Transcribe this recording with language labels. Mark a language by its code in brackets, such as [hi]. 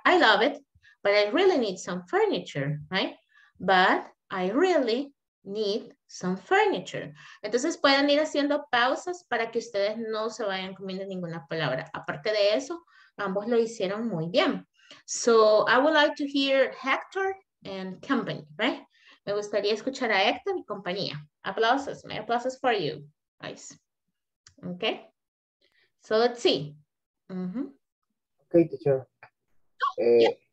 [en] I love it, but I really need some furniture, right? But I really need some furniture. [es] Entonces pueden ir haciendo pausas para que ustedes no se vayan comiendo ninguna palabra. Aparte de eso, ambos lo hicieron muy bien. [en] So I would like to hear Hector and company, right? [es] Me gustaría escuchar a Héctor y compañía. Aplausos, [en] my applauses for you. Nice. Okay. So let's see. Mm-hmm. Okay, teacher. Oh, yeah.